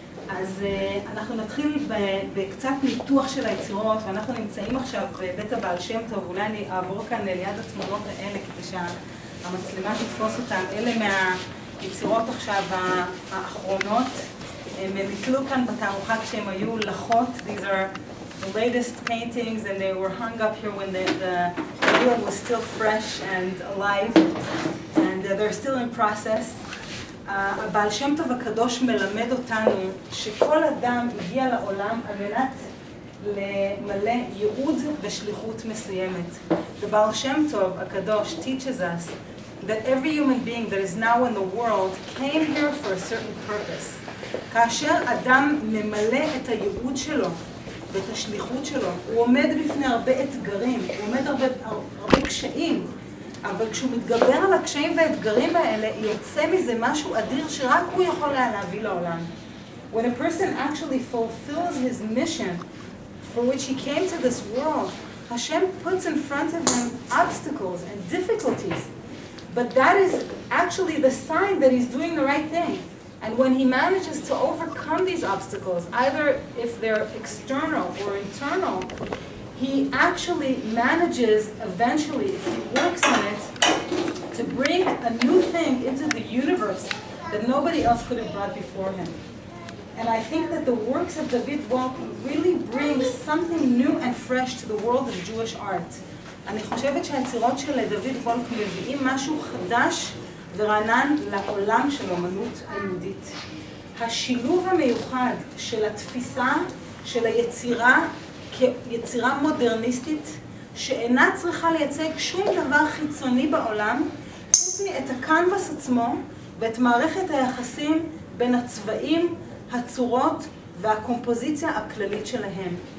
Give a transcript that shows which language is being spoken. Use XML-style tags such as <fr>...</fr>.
<he>אז אנחנו נתחיל בקצת ניתוח של היצירות, ואנחנו נמצאים עכשיו בבית הבעל שם טוב. אולי אני אעבור כאן ליד התמונות האלה כדי שהמצלמה תתפוס אותן. אלה מהיצירות עכשיו האחרונות. הם ניתלו כאן בתערוכה כשהם היו לחות.</he> <en>These are the latest paintings and they were hung up here when the wheel was still fresh and alive. And they're still in process.</en> <he>הבעל שם טוב הקדוש מלמד אותנו שכל אדם הגיע לעולם על מנת למלא ייעוד ושליחות מסוימת.</he> <en>הבעל שם טוב הקדוש teaches us that every human being that is now in the world came here for a certain purpose.</en> <he>כאשר אדם ממלא את הייעוד שלו ואת השליחות שלו, הוא עומד בפני הרבה אתגרים, הוא עומד הרבה קשיים. אבל כשהוא מתגבר על הקשיים והאתגרים האלה, יוצא מזה משהו אדיר שרק הוא יכול היה להביא לעולם.</he> <en>When a person actually fulfills his mission for which he came to this world, Hashem puts in front of him obstacles and difficulties. But that is actually the sign that he's doing the right thing. And when he manages to overcome these obstacles, either if they're external or internal, he actually manages eventually, if he works on it, to bring a new thing into the universe that nobody else could have brought before him. And I think that the works of David Wolk really bring something new and fresh to the world of Jewish art.</en> <he>אני חושבת שהיצירות של דוד וולק מביאים משהו חדש ורענן לעולם של אמנות היהודית. השילוב המיוחד של התפיסה של היצירה כיצירה מודרניסטית שאינה צריכה לייצג שום דבר חיצוני בעולם, חוץ מאת הקנבס עצמו ואת מערכת היחסים בין הצבעים, הצורות והקומפוזיציה הכללית שלהם.</he>